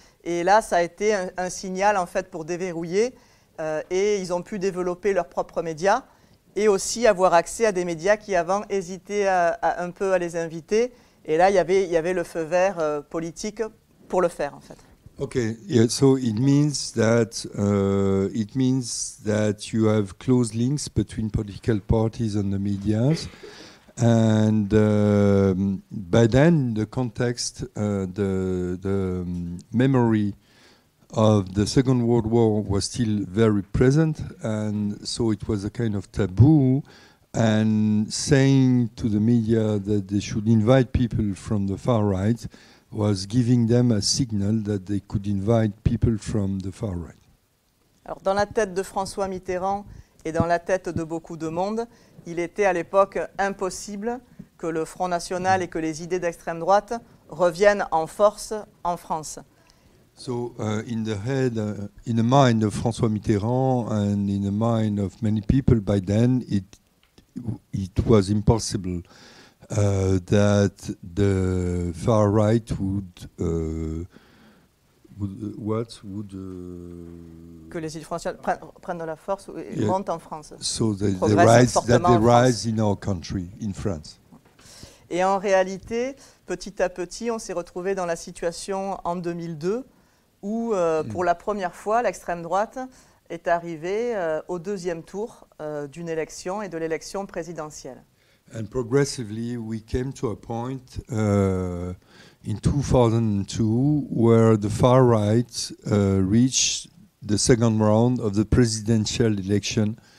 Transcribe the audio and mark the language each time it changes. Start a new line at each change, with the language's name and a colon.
French: Et là, ça a été un signal, en fait, pour déverrouiller. Et ils ont pu développer leurs propres médias et aussi avoir accès à des médias qui, avant, hésitaient un peu à les inviter. Et là, il y avait le feu vert politique pour le faire, en fait. OK.
English: Yeah, so it means that you have close links between political parties and the media. And by then, the context, the memory of the Second World War was still very present, and so it was a kind of taboo. And saying to the media that they should invite people from the far right was giving them a signal that they could invite people from the far right.
French: Alors, dans la tête de François Mitterrand et dans la tête de beaucoup de monde, il était à l'époque impossible que le Front National et que les idées d'extrême droite reviennent en force en France.
English: So in the head, in the mind of François Mitterrand and in the mind of many people by then, it was impossible that the far right would
French: que les îles françaises prennent de la force et montent en France.
English: So they rise, that they rise in our country, in France.
French: Et en réalité, petit à petit, on s'est retrouvé dans la situation en 2002 où, pour la première fois, l'extrême droite est arrivée au deuxième tour d'une élection et de l'élection présidentielle.
English: And progressively, we came to a point in 2002 where the far right reached the second round of the presidential election.